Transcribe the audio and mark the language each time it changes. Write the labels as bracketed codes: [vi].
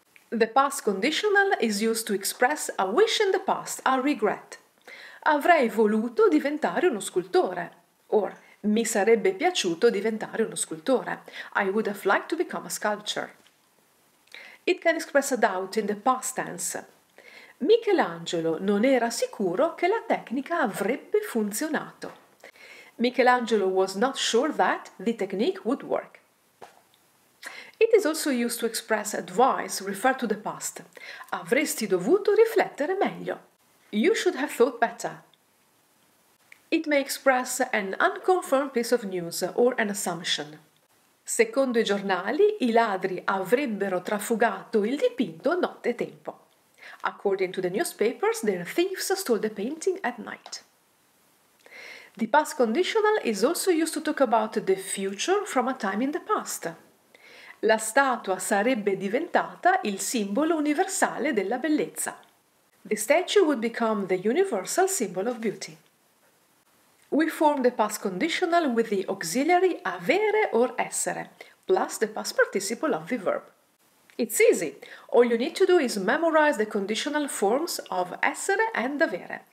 [en] The past conditional is used to express a wish in the past, a regret. [it] Avrei voluto diventare uno scultore. Or, mi sarebbe piaciuto diventare uno scultore. [en] I would have liked to become a sculptor. It can express a doubt in the past tense. [it] Michelangelo non era sicuro che la tecnica avrebbe funzionato. [en] Michelangelo was not sure that the technique would work. It is also used to express advice, refer to the past. [it] Avresti dovuto riflettere meglio. [en] You should have thought better. It may express an unconfirmed piece of news or an assumption. [it] Secondo i giornali, i ladri avrebbero trafugato il dipinto nottetempo. [en] According to the newspapers, their thieves stole the painting at night. The past conditional is also used to talk about the future from a time in the past. [it] La statua sarebbe diventata il simbolo universale della bellezza. [en] The statue would become the universal symbol of beauty. We form the past conditional with the auxiliary avere or essere, plus the past participle of the verb. It's easy. All you need to do is memorize the conditional forms of essere and avere.